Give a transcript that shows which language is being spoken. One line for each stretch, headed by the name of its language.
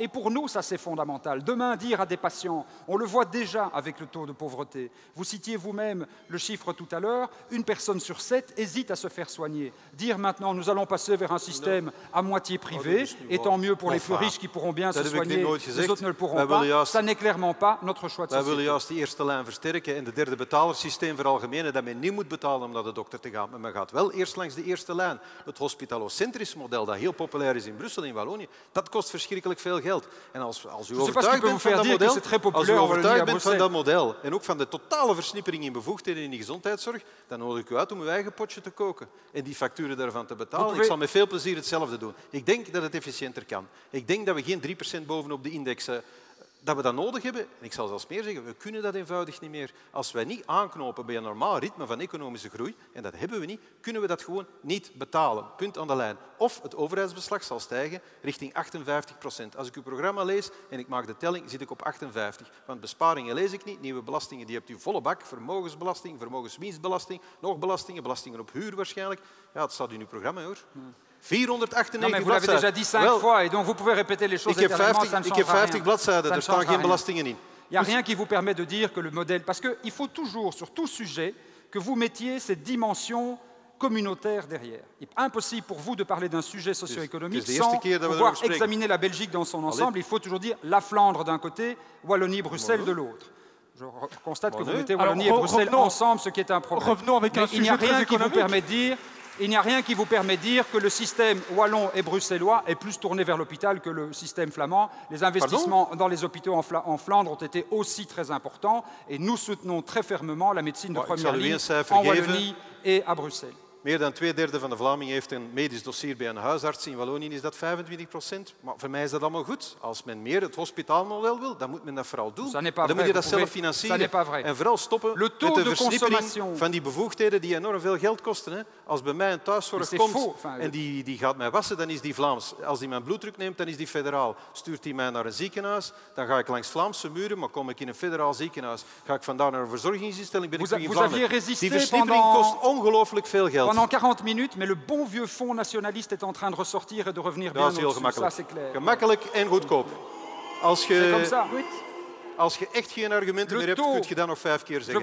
French: Et pour nous, ça, c'est fondamental. Demain, dire à des patients, on le voit déjà avec le taux de pauvreté. Vous citiez vous-même le chiffre tout à l'heure, une personne sur sept hésite à se faire soigner. Dire maintenant, nous allons passer vers un système à moitié privé, et tant mieux pour les plus riches qui pourront bien se soigner, les autres ne le pourront pas. Ça n'est clairement pas notre choix de société.
Dutch: We willen juist die eerste lijn versterken en de derde betalersysteem voor algemene, dat men niet moet betalen om naar de dokter te gaan. Maar men gaat wel eerst langs de eerste lijn, het hospitaal. Het allocentrisch model dat heel populair is in Brussel en in Wallonië, dat kost verschrikkelijk veel geld. En als u overtuigd bent van dat model, als u overtuigd bent van dat model en ook van de totale versnippering in bevoegdheden in de gezondheidszorg, dan nodig ik u uit om uw eigen potje te koken en die facturen daarvan te betalen. Ik zal met veel plezier hetzelfde doen. Ik denk dat het efficiënter kan. Ik denk dat we geen 3% bovenop de index dat we dat nodig hebben. En ik zal zelfs meer zeggen, we kunnen dat eenvoudig niet meer. Als wij niet aanknopen bij een normaal ritme van economische groei, en dat hebben we niet, kunnen we dat gewoon niet betalen. Punt aan de lijn. Of het overheidsbeslag zal stijgen richting 58%. Als ik uw programma lees en ik maak de telling, zit ik op 58. Want besparingen lees ik niet. Nieuwe belastingen, die hebt u volle bak. Vermogensbelasting, vermogenswinstbelasting, nog belastingen, belastingen op huur waarschijnlijk. Ja, dat staat in uw programma, hoor.
French: Non, mais vous l'avez déjà dit cinq fois, et donc vous pouvez répéter les choses.
Dutch: Ik heb 50 bladzijden, er staan geen belastingen in.
French: Il n'y a rien qui vous permet de dire que le modèle... Parce qu'il faut toujours, sur tout sujet, que vous mettiez cette dimension communautaire derrière. Il est impossible pour vous de parler d'un sujet socio-économique sans pouvoir examiner la Belgique dans son ensemble. Il faut toujours dire la Flandre d'un côté, Wallonie-Bruxelles de l'autre. Je constate que vous mettez Wallonie et Bruxelles ensemble, ce qui est un problème. Revenons avec un sujet très économique. Il n'y a rien qui vous permet de dire que le système wallon et bruxellois est plus tourné vers l'hôpital que le système flamand. Les investissements dans les hôpitaux en Flandre ont été aussi très importants et nous soutenons très fermement la médecine de première ligne en Wallonie et à Bruxelles.
Dutch: Meer dan twee derde van de Vlamingen heeft een medisch dossier bij een huisarts. In Wallonië is dat 25%. Maar voor mij is dat allemaal goed. Als men meer het hospitaalmodel wil, dan moet men dat vooral doen. Dan moet je dat zelf financieren. En vooral stoppen met de versnippering van die bevoegdheden die enorm veel geld kosten. Hè. Als bij mij een thuiszorg komt en die gaat mij wassen, dan is die Vlaams. Als die mijn bloeddruk neemt, dan is die federaal. Stuurt die mij naar een ziekenhuis, dan ga ik langs Vlaamse muren, maar kom ik in een federaal ziekenhuis, ga ik vandaar naar een verzorgingsinstelling, ben ik in Vlaanderen. Die versnippering kost ongelooflijk veel geld.
French: Pendant 40 minutes, mais le bon vieux fonds nationaliste est en train de ressortir et de revenir bien au-dessus. Ça, c'est clair.
Dutch: Gemakkelijk en goedkoop. Als je, echt geen argumenten meer hebt, kun je dat nog 5 keer zeggen.